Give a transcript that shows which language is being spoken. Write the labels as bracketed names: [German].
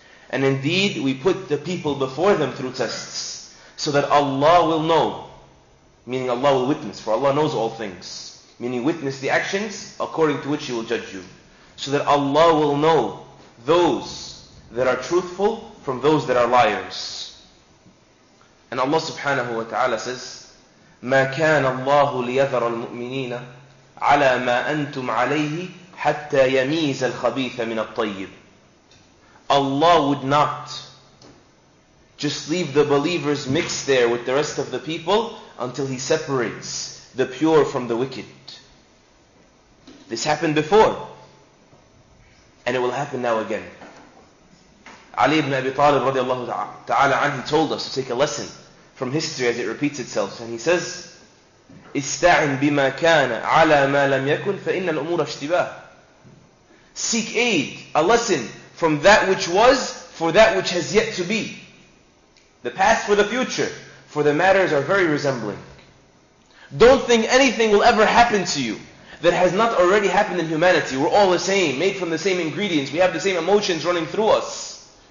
[English] And indeed, we put the people before them through tests, so that Allah will know, meaning Allah will witness, for Allah knows all things, meaning witness the actions according to which He will judge you, so that Allah will know those that are truthful from those that are liars. And Allah subhanahu wa ta'ala says, [Arabic] مَا كَانَ اللَّهُ لِيَذَرَ الْمُؤْمِنِينَ عَلَى مَا أَنْتُمْ عَلَيْهِ حَتَّى يَمِيزَ الْخَبِيثَ مِنَ الطَّيِّبِ. [English] Allah would not just leave the believers mixed there with the rest of the people until He separates the pure from the wicked. This happened before, and it will happen now again. Ali ibn Abi Talib radiallahu ta'ala anhu told us to take a lesson from history as it repeats itself. And he says, [Arabic] إِسْتَعِنْ بِمَا كَانَ عَلَى مَا لَمْ يَكُنْ فَإِنَّ الْأُمُورَ اشْتِبَاهُ. [English] Seek aid, a lesson from that which was for that which has yet to be. The past for the future, for the matters are very resembling. Don't think anything will ever happen to you that has not already happened in humanity. We're all the same, made from the same ingredients. We have the same emotions running through us.